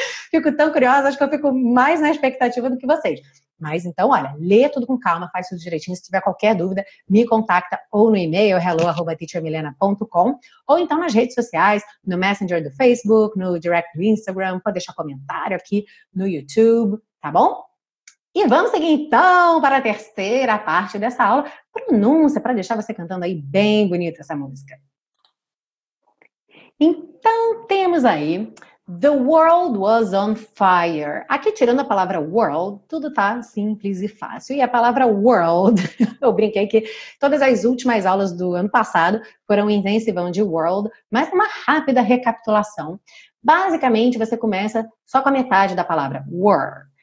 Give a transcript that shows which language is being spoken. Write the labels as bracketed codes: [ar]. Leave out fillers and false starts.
[pt] Fico tão curiosa, acho que eu fico mais na expectativa do que vocês. Mas então, olha, lê tudo com calma, faz tudo direitinho. Se tiver qualquer dúvida, me contacta ou no e-mail hello@teachermilena.com ou então nas redes sociais, no Messenger do Facebook, no Direct do Instagram, pode deixar comentário aqui no YouTube, tá bom? E vamos seguir então para a terceira parte dessa aula, pronúncia, para deixar você cantando aí bem bonita essa música. Então temos aí, [en] the world was on fire. [pt] Aqui tirando a palavra world, tudo tá simples e fácil. E a palavra world, eu brinquei que todas as últimas aulas do ano passado foram intensivão de world, mas uma rápida recapitulação. Basicamente você começa só com a metade da palavra, were.